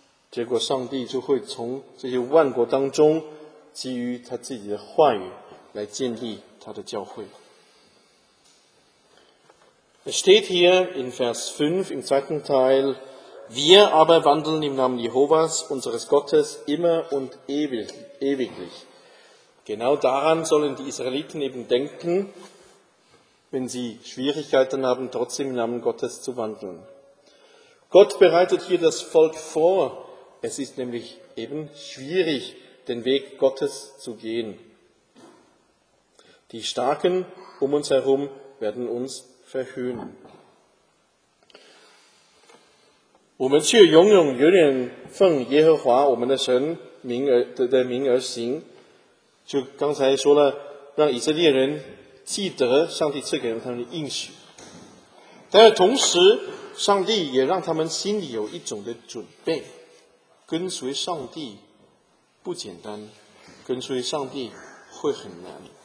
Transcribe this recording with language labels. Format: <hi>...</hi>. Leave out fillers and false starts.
<de>steht hier in Vers 5 im zweiten Teil, wir aber wandeln im Namen Jehovas, unseres Gottes, immer und ewiglich. Genau daran sollen die Israeliten eben denken, wenn sie Schwierigkeiten haben, trotzdem im Namen Gottes zu wandeln. Gott bereitet hier das Volk vor. Es ist nämlich eben schwierig, den Weg Gottes zu gehen. Die Starken um uns herum werden uns verhöhnen.</de> <zh>我们却永永远远奉耶和华我们的神名而行, 就刚才说了, 让以色列人记得上帝赐给他们的应许。但同时, 上帝也让他们心里有一种的准备, 跟随上帝不简单, 跟随上帝会很难。</zh>